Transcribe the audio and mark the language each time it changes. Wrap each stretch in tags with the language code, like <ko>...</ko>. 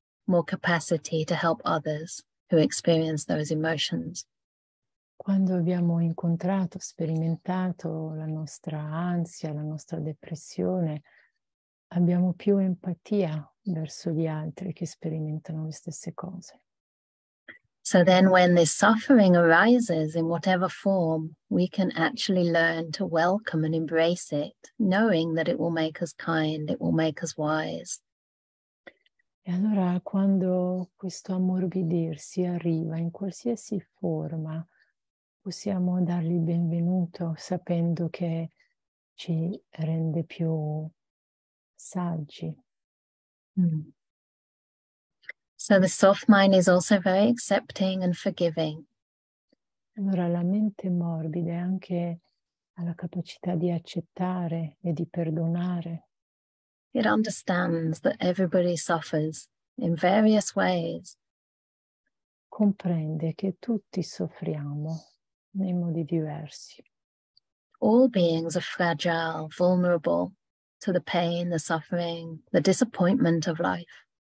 <en>more capacity to help others who experience those emotions.</en> <it>Quando abbiamo incontrato, sperimentato la nostra ansia, la nostra depressione, abbiamo più empatia verso gli altri che sperimentano le stesse cose.</it> <en>So then when this suffering arises in whatever form, we can actually learn to welcome and embrace it, knowing that it will make us kind, it will make us wise.</en> <it>E allora quando questo ammorbidirsi arriva in qualsiasi forma, possiamo dargli benvenuto sapendo che ci rende più saggi.</it> <en>So the soft mind is also very accepting and forgiving.</en> <it>Allora la mente morbida anche ha la capacità di accettare e di perdonare.</it> <en>It understands that everybody suffers in various ways.</en> <it>Comprende che tutti soffriamo nei modi diversi.</it> <en>All beings are fragile, vulnerable to the pain, the suffering, the disappointment of life.</en>